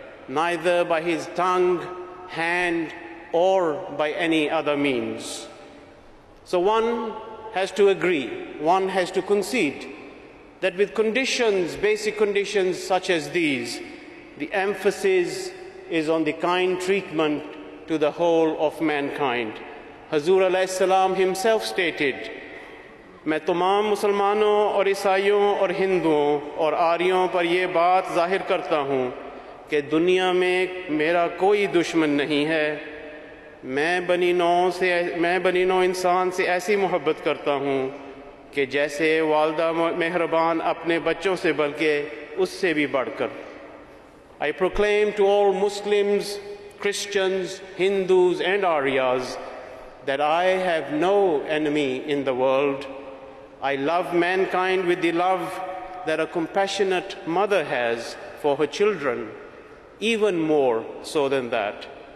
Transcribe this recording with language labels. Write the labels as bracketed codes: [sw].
[en] neither by his tongue, hand, or by any other means. So one has to agree, one has to concede that with conditions, basic conditions such as these, the emphasis is on the kind treatment to the whole of mankind. Hazur alayhi salam himself stated, [ur] میں تمام مسلمانوں اور عیسائیوں اور ہندوؤں اور آریوں پر یہ بات ظاہر کرتا ہوں کہ دنیا میں میرا کوئی دشمن نہیں ہے. میں بنی نو انسان سے ایسی محبت کرتا ہوں کہ جیسے والدہ مہربان اپنے بچوں سے بلکہ اس سے بھی بڑھ کر. [en] I proclaim to all Muslims, Christians, Hindus and Aryas that I have no enemy in the world. I love mankind with the love that a compassionate mother has for her children, even more so than that.